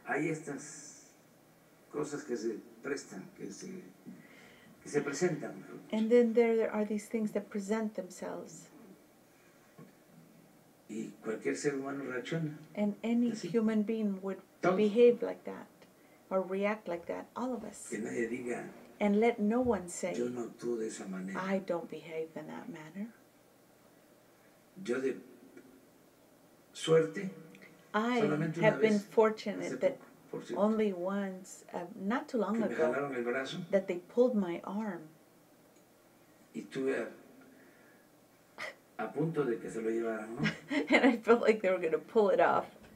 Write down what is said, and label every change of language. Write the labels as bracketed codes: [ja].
[es] Hay estas cosas que se prestan, que se presentan. [en] And then there are these things that present themselves. [es] Y cualquier ser humano reacciona. [en] And any [es] así. [en] Human being would [es] todos. [en] Behave like that or react like that, all of us. [es] Que nadie diga, [en] and let no one say, [es] yo no actúo de esa manera. [en] I don't behave in that manner. [es] Yo de suerte, [en] I have been fortunate that only once, not too long ago, that they pulled my arm. [es] Y tuve a punto de que se lo llevaran, ¿no? [en] And I felt like they were going to pull it off.